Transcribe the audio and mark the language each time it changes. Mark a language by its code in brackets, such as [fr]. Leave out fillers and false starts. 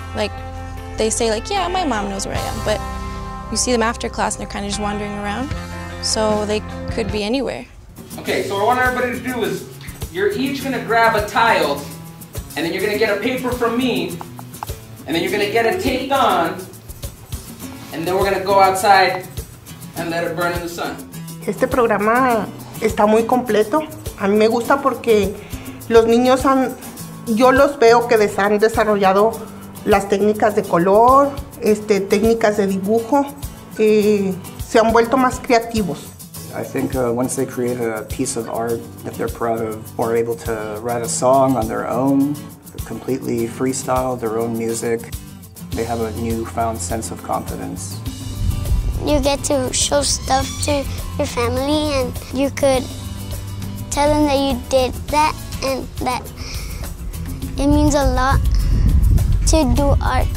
[en] Like, they say, like, yeah, my mom knows where I am, but you see them after class and they're kind of just wandering around, so they could be anywhere. Okay, so what I want everybody to do is, you're each gonna grab a tile, and then you're gonna get a paper from me, and then you're gonna get a tape on, and then we're gonna go outside and let it burn in the sun. [es] Este programa está muy completo. A mí me gusta porque los niños han, yo los veo que han desarrollado las técnicas de color, técnicas de dibujo, se han vuelto más creativos. [en] I think once they create a piece of art that they're proud of, or able to write a song on their own, completely freestyle their own music, they have a newfound sense of confidence. You get to show stuff to your family, and you could tell them that you did that, and that it means a lot to do art.